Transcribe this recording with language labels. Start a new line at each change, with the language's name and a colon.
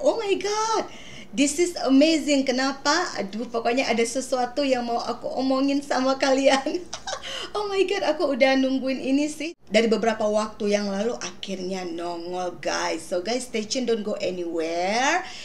English: Oh my God, this is amazing.
Indonesian: Kenapa? Aduh, pokoknya ada sesuatu yang mau aku omongin sama kalian.
English: Oh my God,
Indonesian: aku udah nungguin ini sih dari beberapa waktu yang lalu, akhirnya nongol guys.
English: So guys, stay tuned, don't go anywhere.